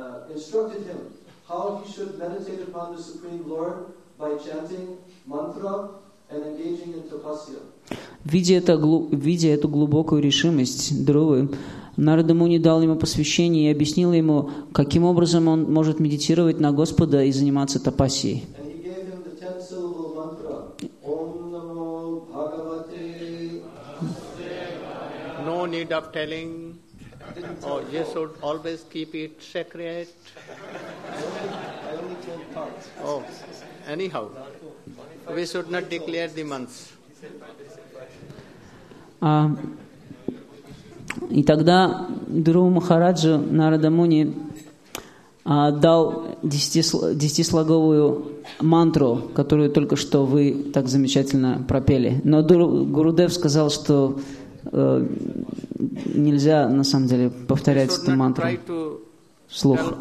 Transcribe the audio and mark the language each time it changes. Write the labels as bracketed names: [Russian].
[English] Instructed him how he should meditate upon the Supreme Lord by chanting mantra and engaging in tapasya. [Russian] Видя эту глубокую решимость Друвы, Нарада Муни дал ему посвящение и объяснил ему, каким образом он может медитировать на Господа и заниматься тапасией. [English] And he gave him the 10-syllable mantra. [Sanskrit] Om Namo Bhagavate Vasudevaya. [English] No need of telling. Oh, you should always keep it secret. I only told parts. Oh, anyhow, we should not declare the months. [Russian] И тогда Друва Махараджа Нарада Муни дал десятислоговую мантру, которую только что вы так замечательно пропели. Но Гурудев сказал, что нельзя на самом деле повторять эту мантру вслух.